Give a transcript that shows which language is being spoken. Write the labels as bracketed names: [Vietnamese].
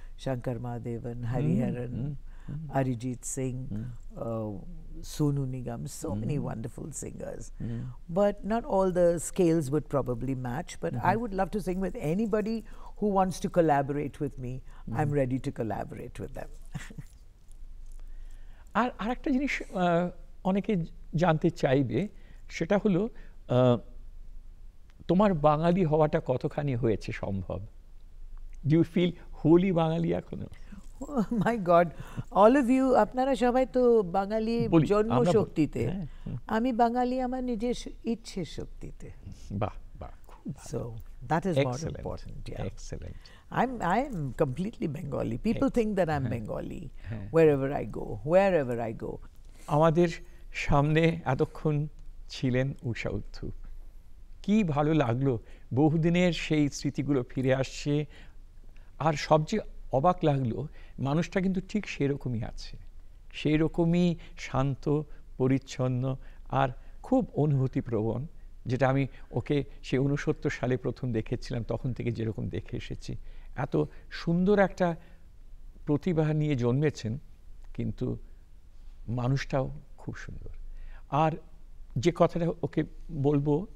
[English] Shankar Mahadevan, Hariharan, Arijit Singh, Sonu Nigam, so many wonderful singers. But not all the scales would probably match, but I would love to sing with anybody who wants to collaborate with me. I'm ready to collaborate with them. [Bangla] আর আরেকটা জিনিস অনেকে জানতে চাইবে সেটা হলো তোমার বাঙালি হওয়াটা কতখানি হয়েছে সম্ভব [English] do you feel wholly [Bangla] বাঙালি এখনো [English] Oh my God, all of you, [Bangla] আপনারা সবাই তো বাঙালি জন্মশক্তিতে আমি বাঙালি আমার নিজের ইচ্ছে শক্তিতে বাহ বাহ [English] So that is more important yeah excellent I'm completely Bengali. People think that I'm Bengali wherever I go. [Bangla] আমাদের সামনে এতক্ষণ ছিলেন উষা উত্থুপ কি ভালো লাগলো বহুদিনের সেই স্মৃতিগুলো ফিরে আসছে আর সবচেয়ে অবাক লাগলো মানুষটা কিন্তু ঠিক সেরকমই আছে সেরকমই শান্ত পরিচ্ছন্ন আর খুব অনুভূতিপ্রবণ যেটা আমি ওকে সে 69 সালে প্রথম দেখেছিলাম তখন থেকে যেরকম দেখে এসেছি এত সুন্দর একটা প্রতিভা নিয়ে জন্মেছেন কিন্তু মানুষটাও খুব সুন্দর আর যে কথাটা ওকে বলবো